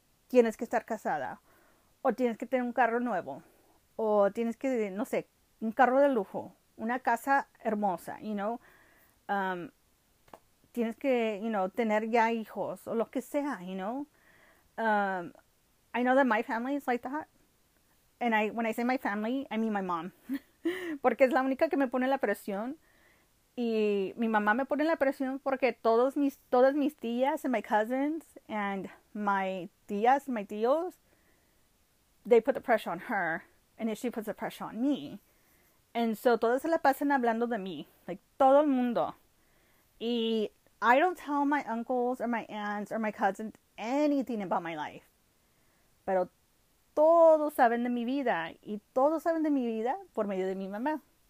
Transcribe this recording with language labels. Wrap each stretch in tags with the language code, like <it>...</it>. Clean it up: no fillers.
<es>tienes que estar casada, o tienes que tener un carro nuevo, o tienes que, no sé, un carro de lujo, una casa hermosa, you know, tienes que, you know, tener ya hijos, o lo que sea, you know.</es> <en>I know that my family is like that. And when I say my family, I mean my mom.</en> <es>Porque es la única que me pone la presión. Y mi mamá me pone la presión porque todas mis tías</es> <en>and my cousins and my tías, my tíos, they put the pressure on her. And then she puts the pressure on me. And so</en> <es>todas se la pasan hablando de mí.</es> <en>Like,</en> <es>todo el mundo.</es> <en>Y I don't tell my uncles or my aunts or my cousins anything about my life.</en> <es>Pero todos saben de mi vida. Y todos saben de mi vida por medio de mi mamá.</es>